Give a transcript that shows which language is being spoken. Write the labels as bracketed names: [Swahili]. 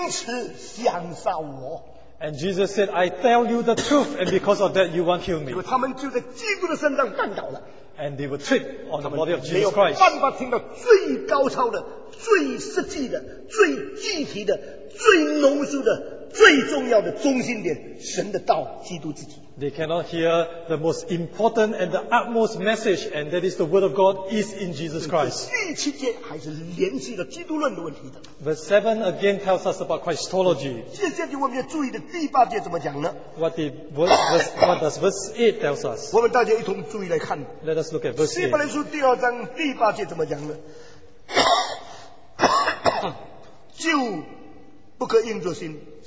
[Chinese] 耶稣基督说，我把真理告诉你们，你们就因此降杀我。 [English] And Jesus said, I tell you the truth, and because of that, you won't kill me. [Chinese] 他们就在基督的身上绊倒了。 [English] And they were tripped on the body of Jesus Christ. [Chinese] 他们没有办法听到最高超的、最实际的、最具体的、最浓缩的。最重要的中心点，神的道，基督自己。 [English] They cannot hear the most important and the utmost message, and that is the word of God is in Jesus Christ. [Chinese] 第七节还是联系了基督论的问题的。 [English] Verse 7 again tells us about Christology. [Chinese] 接下来我们要注意的第八节怎么讲呢？ [English] What does verse 8 tells us? [Chinese] 我们大家一同注意来看。 [English] Let us look at verse 8. [Chinese] 希伯来书第二章第八节怎么讲呢？就不可硬着心。